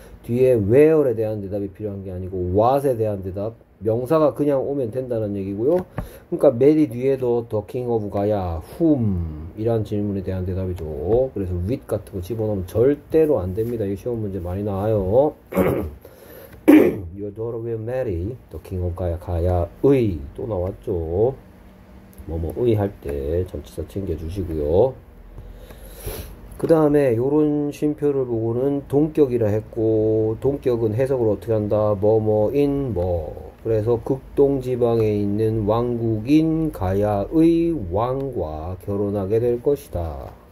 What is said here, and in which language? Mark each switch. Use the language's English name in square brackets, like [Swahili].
[Korean] 뒤에 where에 대한 대답이 필요한 게 아니고 what에 대한 대답. 명사가 그냥 오면 된다는 얘기고요. 그러니까 메리 뒤에도 [English] The King of Gaya, whom [Korean] 이란 질문에 대한 대답이죠. 그래서 with 같은 거 집어넣으면 절대로 안 됩니다. 이 시험 문제 많이 나와요. [English] Your daughter will marry The King of Gaya, [Korean] Gaya의 또 나왔죠. 뭐뭐의 할때 전치사 챙겨주시고요. 그 다음에 요런 쉼표를 보고는 동격이라 했고 동격은 해석을 어떻게 한다? 뭐뭐인 뭐 그래서 극동지방에 있는 왕국인 가야의 왕과 결혼하게 될 것이다.